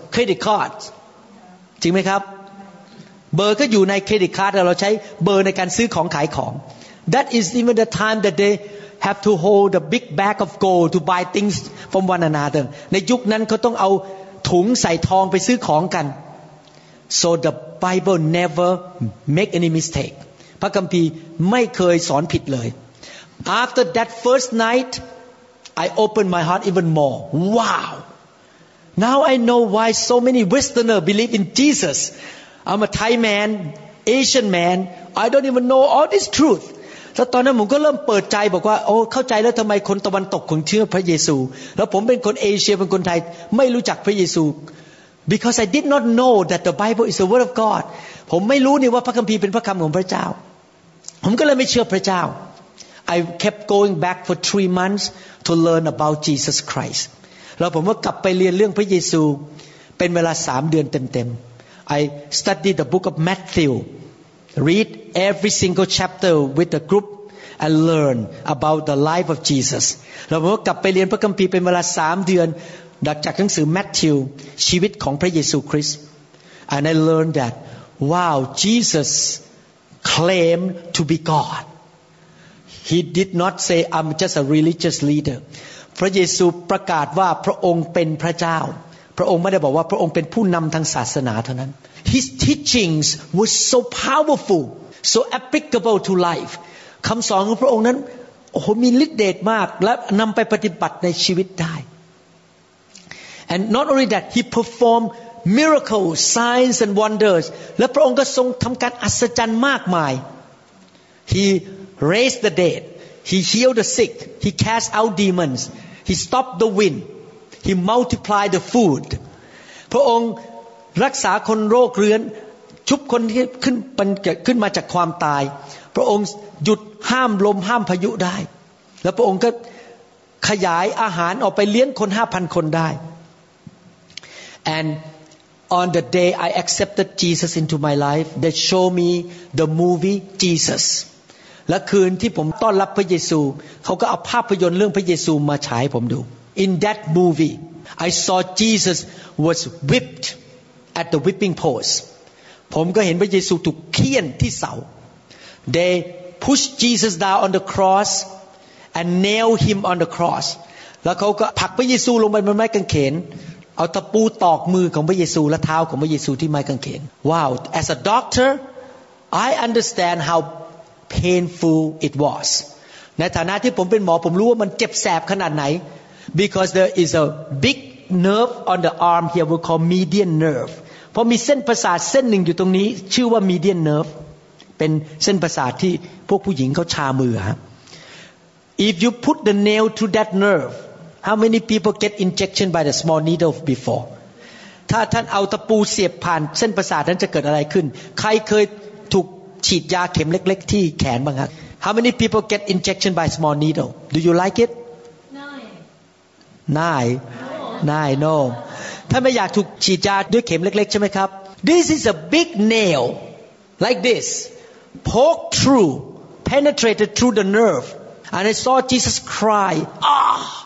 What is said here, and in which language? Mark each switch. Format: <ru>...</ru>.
<en>Credit cards</en> <th>จริงไหมครับเบอร์ก็อยู่ในเครดิตการ์ดแต่เราใช้เบอร์ในการซื้อของขายของ</th> <en>That is even the time that they have to hold the big bag of gold to buy things from one another</en> <th>ในยุคนั้นเขาต้องเอาถุงใส่ทองไปซื้อของกัน</th> <en>So the Bible never make any mistake</en> <th>พระคัมภีร์ไม่เคยสอนผิดเลย</th> <en>After that first night, I opened my heart even more. Wow! Now I know why so many Westerners believe in Jesus. I'm a Thai man, Asian man. I don't even know all this truth.</en> <th>So ตอนนั้นผมก็เริ่มเปิดใจบอกว่าโอ้เข้าใจแล้วทำไมคนตะวันตกถึงเชื่อพระเยซูแล้วผมเป็นคนเอเชียเป็นคนไทยไม่รู้จักพระเยซู</th> <en>Because I did not know that the Bible is the word of God.</en> <th>ผมไม่รู้นี่ว่าพระคัมภีร์เป็นพระคำของพระเจ้าผมก็เลยไม่เชื่อพระเจ้า</th> <en>I kept going back for 3 months to learn about Jesus Christ.</en> <th>แล้วผมก็กลับไปเรียนเรื่องพระเยซูเป็นเวลา3 เดือนเต็มๆ</th> <en>I studied the book of Matthew, read every single chapter with the group, and learn about the life of Jesus.</en> <th>แล้วผมก็กลับไปเรียนพระคัมภีร์เป็นเวลา3 เดือนจากหนังสือ Matthew, ชีวิตของพระเยซูคริสต์</th> <en>and I learned that, wow, Jesus claimed to be God. He did not say I'm just a religious leader.</en> <th>พระเยซูประกาศว่าพระองค์เป็นพระเจ้าพระองค์ไม่ได้บอกว่าพระองค์เป็นผู้นำทางศาสนาเท่านั้น</th> <en>His teachings were so powerful, so applicable to life.</en> <th>คำสอนของพระองค์นั้นโอ้โหมีฤทธิ์เดชมากและนำไปปฏิบัติในชีวิตได้</th> <en>And not only that, he performed miracles, signs and wonders.</en> <th>และพระองค์ก็ทรงทำการอัศจรรย์มากมาย</th> <en>HeRaised the dead. He healed the sick. He cast out demons. He stopped the wind. He multiplied the food.</en> <th>พระองค์รักษาคนโรคเรื้อนชุบคนที่ขึ้นมาจากความตายพระองค์หยุดห้ามลมห้ามพายุได้แล้วพระองค์ก็ขยายอาหารออกไปเลี้ยงคน 5,000 คนได้ And</th> <en>on the day I accepted Jesus into my life, they showed me the movie Jesus.</en> <th>และคืนที่ผมต้อนรับพระเยซูเขาก็เอาภาพยนตร์เรื่องพระเยซูมาฉายให้ผมดู</th> <en>In that movie, I saw Jesus was whipped at the whipping post.</en> <th>ผมก็เห็นพระเยซูถูกเฆี่ยนที่เสา</th> <en>They pushed Jesus down on the cross and nailed him on the cross.</en> <th>แล้วเขาก็ผลักพระเยซูลงไปบนไม้กางเขนเอาตะปูตอกมือของพระเยซูและเท้าของพระเยซูที่ไม้กางเขน</th> <en>Wow, as a doctor, I understand how painful it was.</en> <th>ในฐานะที่ผมเป็นหมอผมรู้ว่ามันเจ็บแสบขนาดไหน</th> <en>Because there is a big nerve on the arm here, we call median nerve.</en> <th>เพราะมีเส้นประสาทเส้นหนึ่งอยู่ตรงนี้ชื่อว่า median nerve. เป็นเส้นประสาทที่พวกผู้หญิงเขาชามือฮะ</th> <en>If you put the nail to that nerve. How many people get injection by the small needle before?</en> <th>ถ้าท่านเอาตะปูเสียบผ่านเส้นประสาทนั้นจะเกิดอะไรขึ้นใครเคยถูกฉีดยาเข็มเล็กๆที่แขนบ้างครับ</th> <en>How many people get injection by small needle? Do you like it? No.</en> <th>ท่านไม่อยากถูกฉีดยาด้วยเข็มเล็กๆใช่ไหมครับ</th> <en>This is a big nail like this poke through penetrated through the nerve and I saw Jesus cry ah.</en>